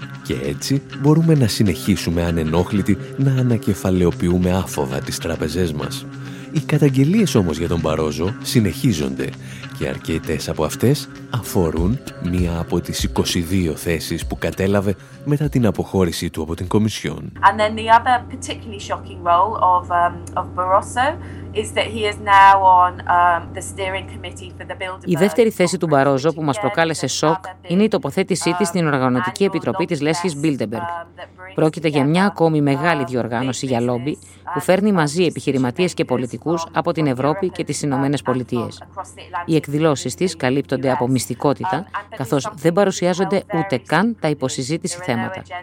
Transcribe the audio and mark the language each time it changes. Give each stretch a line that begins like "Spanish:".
Greek: Και έτσι μπορούμε να συνεχίσουμε ανενόχλητοι να ανακεφαλαιοποιούμε άφοβα τις τραπεζές μας. Οι καταγγελίες όμως για τον Μπαρόζο συνεχίζονται και αρκετές από αυτές αφορούν μία από τις 22 θέσεις που κατέλαβε μετά την αποχώρησή του από την Κομισιόν.
English: And then the other particularly shocking role of Barroso is that he is now on the steering committee for the Bilderberg.
Greek: Η δεύτερη θέση του Μπαρόζο που μας προκάλεσε σοκ είναι η τοποθέτησή της στην οργανωτική επιτροπή της Λέσχης Bilderberg. Πρόκειται για μια ακόμη μεγάλη διοργάνωση για λόμπι που φέρνει μαζί επιχειρηματίες και πολιτικούς από την Ευρώπη και τις Ηνωμένες Πολιτείες. Οι εκδηλώσεις της καλύπτονται από μυστικότητα, καθώς δεν παρουσιάζονται ούτε καν τα υποσυζήτηση θέματα.